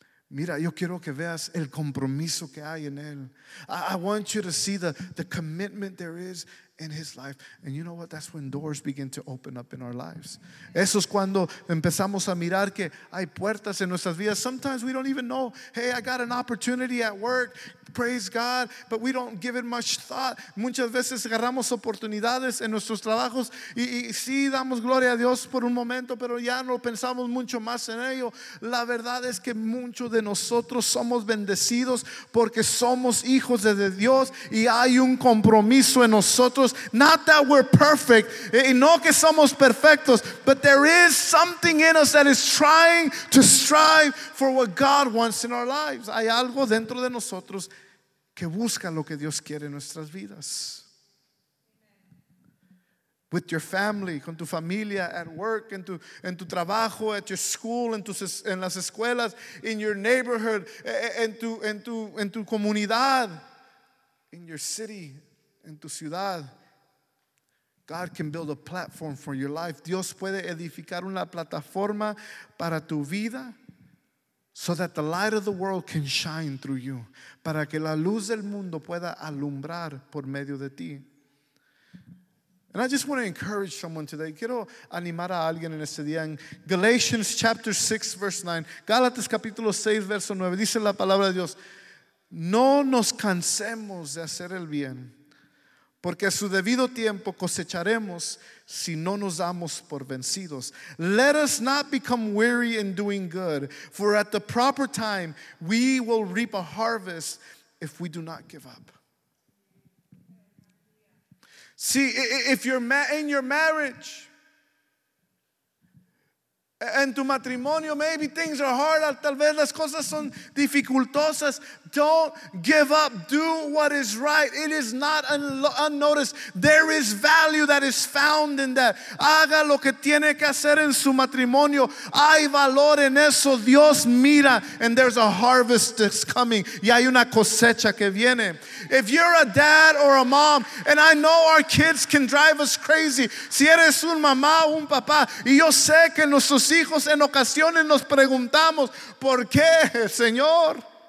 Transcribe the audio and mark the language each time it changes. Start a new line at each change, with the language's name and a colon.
Spanish: Mira, yo quiero que veas el compromiso que hay en él.
English: I want you to see the commitment there is in his life. And you know what? That's when doors begin to open up in our lives.
Spanish: Eso es cuando empezamos a mirar que hay puertas en nuestras vidas.
English: Sometimes we don't even know. Hey, I got an opportunity at work. Praise God. But we don't give it much thought.
Spanish: Muchas veces agarramos oportunidades en nuestros trabajos. Y sí, damos gloria a Dios por un momento, pero ya no pensamos mucho más en ello. La verdad es que muchos de nosotros somos bendecidos porque somos hijos de Dios y hay un compromiso en nosotros nosotros.
English: Not that we're perfect,
Spanish: y no que somos perfectos,
English: but there is something in us that is trying to strive for what God wants in our lives.
Spanish: Hay algo dentro de nosotros que busca lo que Dios quiere en nuestras vidas.
English: With your family,
Spanish: con tu familia,
English: at work,
Spanish: en tu trabajo,
English: at your school,
Spanish: en las escuelas,
English: in your neighborhood,
Spanish: en tu comunidad,
English: in your city,
Spanish: en tu ciudad.
English: God can build a platform for your life.
Spanish: Dios puede edificar una plataforma para tu vida
English: so that the light of the world can shine through you.
Spanish: Para que la luz del mundo pueda alumbrar por medio de ti.
English: And I just want to encourage someone today.
Spanish: Quiero animar a alguien en este día.
English: In Galatians chapter 6, verse 9.
Spanish: Gálatas capítulo 6, verso 9. Dice la palabra de Dios. No nos cansemos de hacer el bien, porque a su debido tiempo cosecharemos si no nos damos por vencidos.
English: Let us not become weary in doing good, for at the proper time we will reap a harvest if we do not give up. See, if you're in your marriage,
Spanish: en tu matrimonio,
English: maybe things are hard,
Spanish: tal vez las cosas son dificultosas.
English: Don't give up. Do what is right. It is not unnoticed. There is value that is found in that.
Spanish: Haga lo que tiene que hacer en su matrimonio. Hay valor en eso. Dios mira.
English: And there's a harvest that's coming.
Spanish: Y hay una cosecha que viene.
English: If you're a dad or a mom, and I know our kids can drive us crazy.
Spanish: Si eres un mamá o un papá, y yo sé que nuestros hijos en ocasiones nos preguntamos, ¿por qué, Señor?